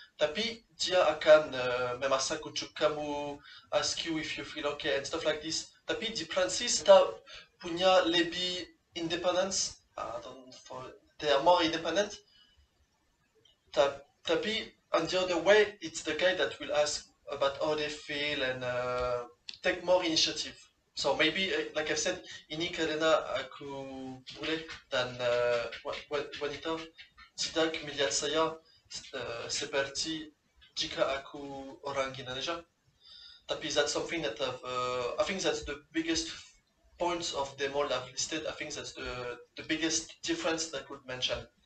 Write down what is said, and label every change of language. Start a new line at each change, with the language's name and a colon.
Indonesian: Tapi dia akan memasak untuk kamu,
English: ask you if you feel okay and stuff like this.
Indonesian: Tapi di Perancis, kita punya lebih independence.
English: They are more independent.
Indonesian: Tapi
English: on the other way, it's the guy that will ask about how they feel and take more initiative. So maybe, like I said,
Indonesian: ini karena aku bule dan wanita tidak melihat saya seperti jika aku orang Indonesia. Tapi
English: that's something that I've, I think that's the biggest points of them all I've listed. I think that's the biggest difference that I could mention.